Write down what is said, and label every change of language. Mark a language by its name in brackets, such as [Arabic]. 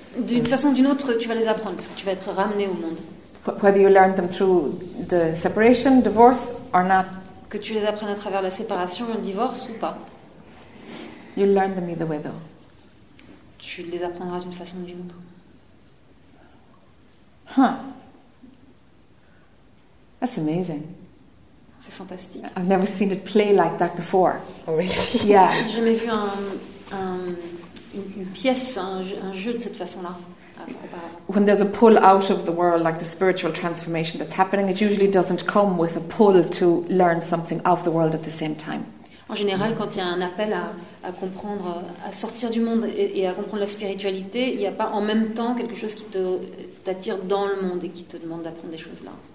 [French] D'une façon ou d'une autre, tu vas les apprendre parce que tu vas être ramené au monde. [English] Whether you learn them through the separation, divorce, or not. [French] Que tu les apprennes à travers la séparation, le divorce ou pas. [English] You'll learn them either way, though. [French] Tu les apprendras d'une façon ou d'une autre. Huh. [English] That's amazing. [French] C'est fantastique. [English] I've never seen it play like that before. Oh, really? Yeah. [French] J'ai jamais vu une pièce, un jeu de cette façon-là. [English] When there's a pull out of the world, like the spiritual transformation that's happening, it usually doesn't come with a pull to learn something of the world at the same time. [French] En général, quand il y a un appel à comprendre, à sortir du monde et à comprendre la spiritualité, il n'y a pas en même temps quelque chose qui t'attire dans le monde et qui te demande d'apprendre des choses-là.